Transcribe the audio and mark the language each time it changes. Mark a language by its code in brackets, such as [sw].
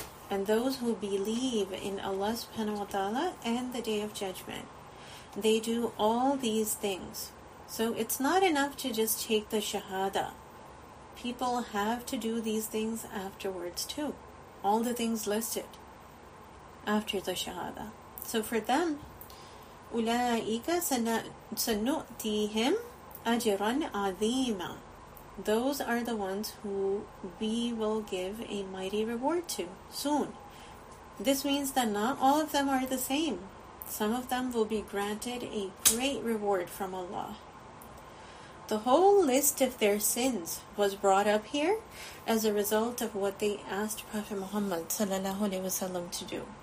[en] And those who believe in Allah subhanahu wa ta'ala and the Day of Judgment, they do all these things. So it's not enough to just take the shahada. People have to do these things afterwards too. All the things listed after the shahada. So for them, [ar] أُولَٰئِكَ سَنُؤْتِيهِمْ أَجْرًا عَظِيمًا. [en] Those are the ones who we will give a mighty reward to soon. This means that not all of them are the same. Some of them will be granted a great reward from Allah. The whole list of their sins was brought up here as a result of what they asked Prophet Muhammad sallallahu alaihi wasallam to do.